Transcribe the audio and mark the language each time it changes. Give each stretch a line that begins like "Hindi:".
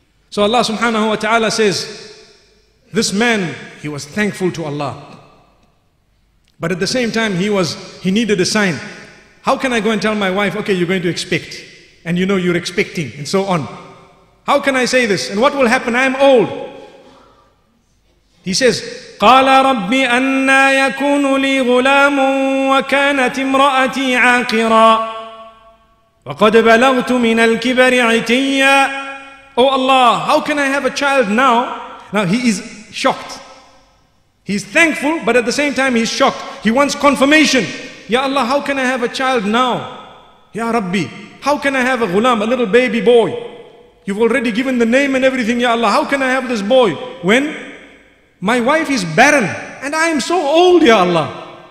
English: So Allah subhanahu wa ta'ala says, this man, he was thankful to Allah. But at the same time, he needed a sign. How can I go and tell my wife, okay, you're going to expect, and you know you're expecting, and so on. How can I say this? And what will happen? I am old. He says,
Arabic: قَالَ رَبِّ أَنَّا يَكُونُ لِي غُلَامٌ وَكَانَتْ امْرَأَتِي عَاقِرًا وَقَدْ بَلَغْتُ مِنَ الْكِبَرِ عِتِيًّا.
English: Oh Allah, how can I have a child now? Now he is shocked. He's thankful, but at the same time he's shocked. He wants confirmation. Ya Allah, how can I have a child now? Ya Rabbi, how can I have a ghulam, a little baby boy? You've already given the name and everything, Ya Allah. How can I have this boy when my wife is barren and I am so old, Ya Allah?